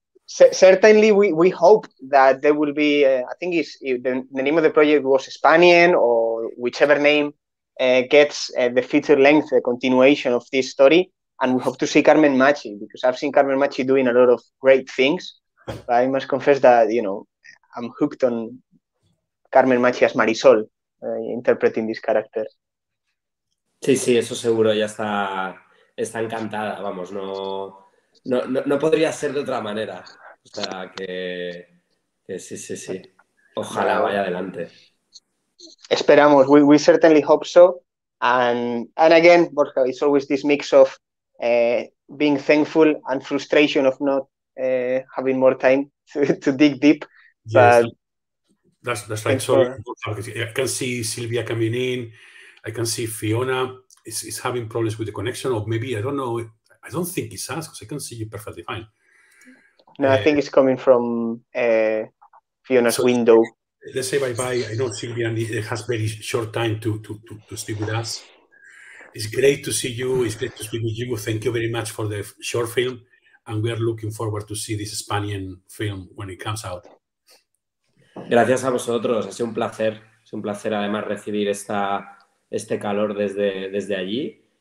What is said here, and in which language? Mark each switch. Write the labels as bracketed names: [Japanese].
[English] Certainly, we hope that there will be, I think it's, the name of the project was Spanian or whichever name gets the feature length, the continuation of this story. And we hope to see Carmen Machi, because I've seen Carmen Machi doing a lot of great things. But I must confess that, you know, I'm hooked on Carmen Machi as Marisol, interpreting this character. [Spanish] Sí, eso seguro, ya está encantada, vamos, no... No, no podría ser de otra manera. O sea, que sí. Ojalá vaya adelante. Esperamos. [English] We certainly hope so. And again, Borja, it's always this mix of being thankful and frustration of not having more time to dig deep. Yes, but that's right. Sorry, Borja. I can see Silvia coming in. I can see Fiona is having problems with the connection, or maybe, I don't know, I don't think it's us, because I can see you perfectly fine. No, I think it's coming from Fiona's window. Let's say bye-bye. I know Silvia has very short time to speak with us. It's great to see you. It's great to speak with you. Thank you very much for the short film. And we are looking forward to see this Spanian film when it comes out. [Spanish] Gracias a vosotros. Ha sido un placer. Es un placer, además, recibir este calor desde allí.